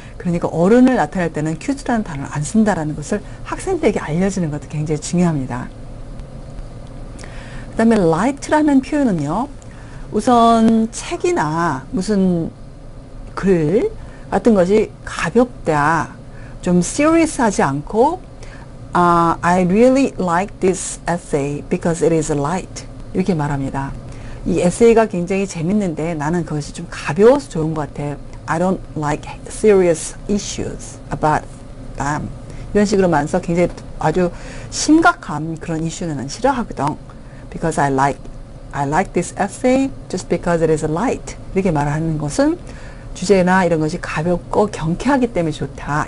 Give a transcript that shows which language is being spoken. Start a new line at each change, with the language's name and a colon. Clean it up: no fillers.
Korean: 그러니까 어른을 나타낼 때는 cute라는 단어를 안 쓴다라는 것을 학생들에게 알려주는 것도 굉장히 중요합니다. 그 다음에 light라는 표현은요. 우선 책이나 무슨 글 같은 것이 가볍다. 좀 serious 하지 않고
English: I really like this essay because it is light.
Korean: 이렇게 말합니다. 이 에세이가 굉장히 재밌는데 나는 그것이 좀 가벼워서 좋은 것 같아.
English: I don't like serious issues about them.
Korean: 이런 식으로 말해서 굉장히 아주 심각한 그런 이슈는 싫어하거든.
English: Because I like this essay just because it is light.
Korean: 이렇게 말하는 것은 주제나 이런 것이 가볍고 경쾌하기 때문에 좋다.